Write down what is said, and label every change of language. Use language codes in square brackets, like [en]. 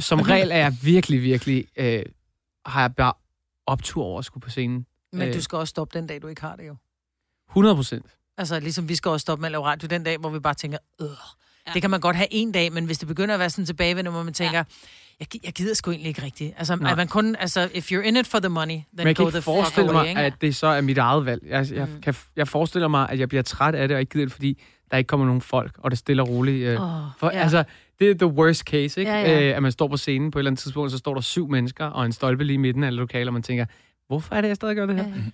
[da] som regel er jeg virkelig, virkelig, har jeg bare optur over at skulle på scenen. Men du skal også stoppe den dag, du ikke har det jo. 100%. Altså ligesom vi skal også stoppe med at lave radio den dag, hvor vi bare tænker, det kan man godt have en dag, men hvis det begynder at være sådan tilbagevendende, hvor man tænker... Jeg gider sgu egentlig ikke rigtigt. Altså, nej. Man kun, altså, [en] if you're in it for the money, then go the fuck away. [da] Jeg kan forestille mig, at det så er mit eget valg. Jeg forestiller mig, at jeg bliver træt af det, og ikke gider det, fordi der ikke kommer nogen folk, og det stille og roligt. Altså, det er [en] the worst case, [da] ikke? Ja, ja. At man står på scenen på et eller andet tidspunkt, og så står der 7 mennesker, og en stolpe lige midten af lokalet, og man tænker, hvorfor er det, jeg stadig gør det her?